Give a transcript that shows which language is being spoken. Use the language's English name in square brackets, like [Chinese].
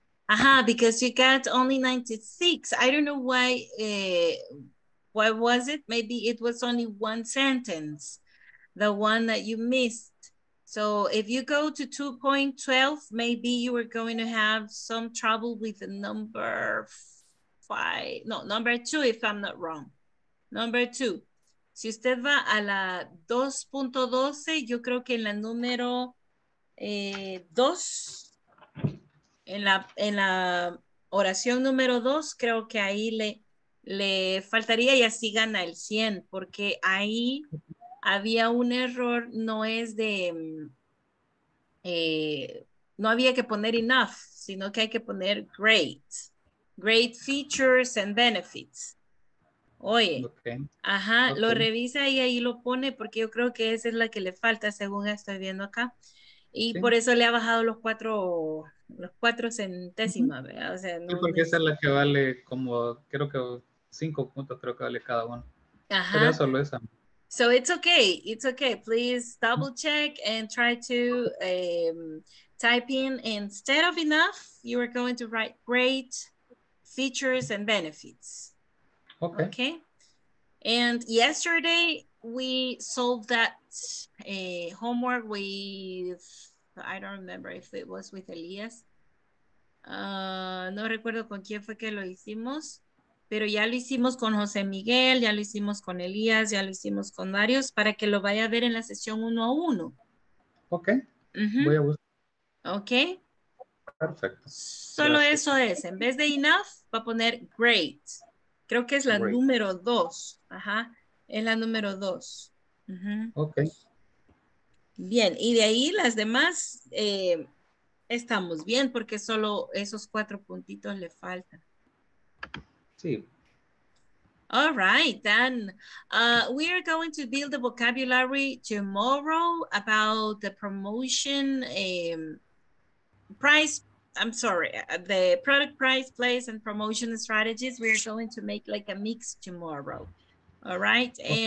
[English] Aha, uh-huh, because you got only 96. I don't know why. Why was it? Maybe it was only one sentence, the one that you missed. So if you go to 2.12, maybe you are going to have some trouble with the number five. No, number two, if I'm not wrong. Number two. [Spanish] Si usted va a la 2.12, yo creo que en la número dos. En la oración número dos, creo que ahí le faltaría y así gana el 100, porque ahí había un error, no es de, no había que poner enough, sino que hay que poner [English] great, great features and benefits. [Spanish] Oye, okay. Ajá, okay. Lo revisa y ahí lo pone, porque yo creo que esa es la que le falta, según estoy viendo acá. Y sí. Por eso le ha bajado los cuatro centésimas, ¿verdad? O sea, no, sí, porque esa es la que vale como, creo que 5 puntos, creo que vale cada uno. Ajá. Pero solo esa. [English] So it's okay. Please double check and try to type in, instead of enough, you are going to write great features and benefits. Okay. Okay. And yesterday we solved that homework with, I don't remember if it was with Elias. [Spanish] No recuerdo con quién fue que lo hicimos, pero ya lo hicimos con José Miguel, ya lo hicimos con Elias, ya lo hicimos con varios, para que lo vaya a ver en la sesión 1-1. Ok. Uh-huh. Voy a buscar. Ok. Perfecto. Solo gracias. Eso es. En vez de enough, va a poner great. Creo que es la great. Número 2. Ajá. Es la número 2. Uh-huh. Ok. Bien, y de ahí las demás estamos bien, porque solo esos 4 puntitos le faltan. Sí. [English] All right, then. We are going to build the vocabulary tomorrow about the promotion price. I'm sorry, the product price, place, and promotion strategies. We are going to make like a mix tomorrow. All right, okay.